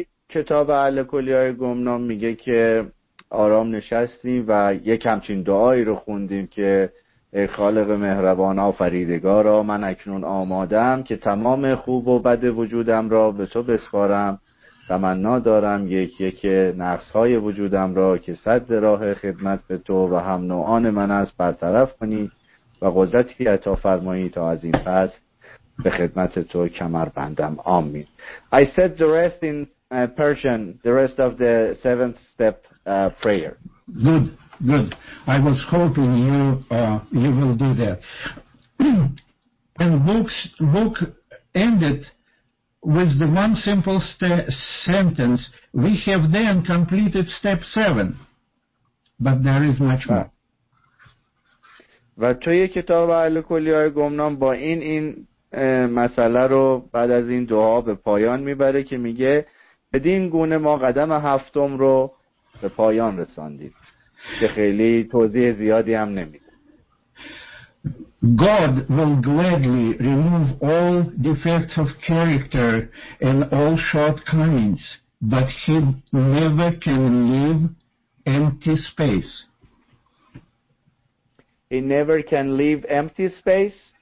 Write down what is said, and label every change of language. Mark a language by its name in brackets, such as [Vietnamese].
[Persian] کتاب الکلیای گمنام میگه که آرام نشستیم و یک همچین دعایی رو خوندیم که ای خالق مهربان آفریدگارا، من اکنون آمادم که تمام خوب و بد وجودم را به تو بسپارم، تمنا دارم یک یک نقصهای وجودم را که سد راه خدمت به تو و هم نوعان من است برطرف کنی و قدرتی عطا فرمایی تا از این پس به خدمت تو کمر بندم. آمین. [English] I said the rest in Persian, the rest of the seventh step prayer. Good, good. I was hoping you will do that. And book ended with the one simple sentence, we have then completed step 7. But there is much more. [Persian] و توی کتاب الکلیای گمنام با این مسئله رو بعد از این دعا به پایان میبره که میگه بدین گونه ما قدم هفتم رو به پایان رساندیم که خیلی توضیح زیادی هم نمیده. [English] God will gladly remove all defects of character and all shortcomings, but he never can leave empty space. He never can leave empty space?